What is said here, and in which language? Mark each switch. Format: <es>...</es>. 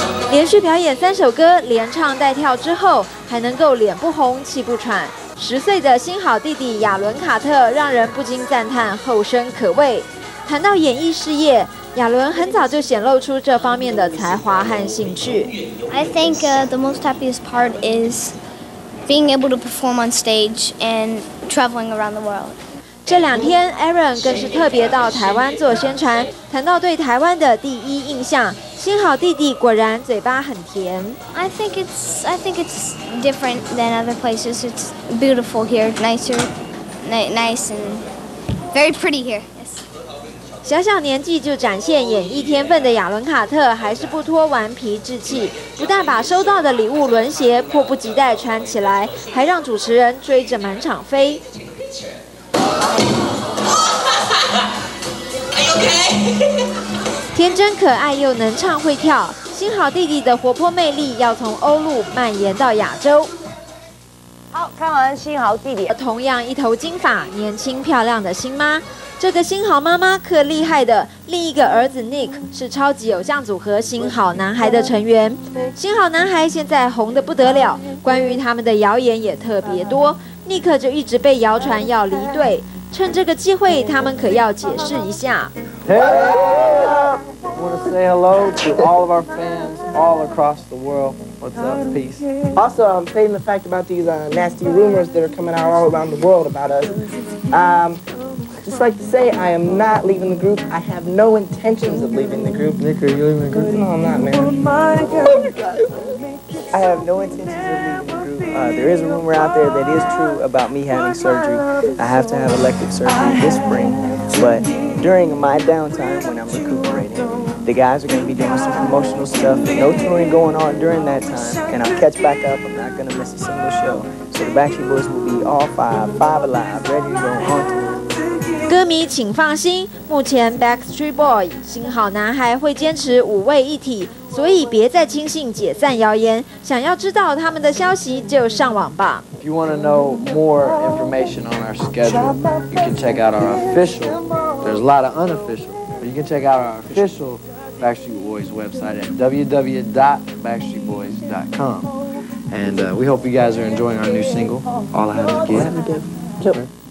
<zh>连续表演三首歌，连唱带跳之后，还能够脸不红气不喘。十岁的新好弟弟亚伦·卡特让人不禁赞叹后生可畏。谈到演艺事业，亚伦很早就显露出这方面的才华和兴趣。</zh> <en>I think the most happiest part is being able to perform on stage and traveling around the world.</en> <zh>这两天 Aaron 更是特别到台湾做宣传，谈到对台湾的第一印象，新好弟弟果然嘴巴很甜。</zh> <en>I think it's different than other places. It's beautiful here, nicer, nice and very pretty here. Yes.</en> <zh>小小年纪就展现演艺天分的亚伦·卡特还是不脱顽皮志气，不但把收到的礼物轮鞋迫不及待穿起来，还让主持人追着满场飞。</zh> <en>Are you okay?</en> <zh>天真可爱又能唱会跳，新好弟弟的活泼魅力要从欧陆蔓延到亚洲。好，看完新好弟弟，同样一头金发、年轻漂亮的新妈，这个新好妈妈可厉害的。另一个儿子 Nick 是超级偶像组合新好男孩的成员。新好男孩现在红得不得了，关于他们的谣言也特别多。尼克就一直被谣传要离队，趁这个机会，他们可要解释一下。</zh> <en>Hey, want to say hello to all of our fans all across the world. What's up, peace? Also, I'm stating the fact about these nasty rumors that are coming out all around the world about us. Just like to say, I am not leaving the group. I have no intentions of leaving the group. Nick, are you leaving the group? No, I'm not, man. Oh my God. I have no intentions of leaving the group. There is a rumor out there that is true about me having surgery. I have to have elective surgery this spring. But during my downtime when I'm recuperating, the guys are going to be doing some promotional stuff. No touring going on during that time. And I'll catch back up. I'm not going to miss a single show. So the Backstreet Boys will be all five alive, ready to go on tour.</en> <zh>歌迷请放心，目前 Backstreet Boy 新好男孩会坚持五位一体。所以别再轻信解散谣言，想要知道他们的消息就上网吧。</zh> <en>If you want to know more information on our schedule, you can check out our official. There's a lot of unofficial, but you can check out our official Backstreet Boys website at www.backstreetboys.com. And we hope you guys are enjoying our new single, All I Have to Give.</en>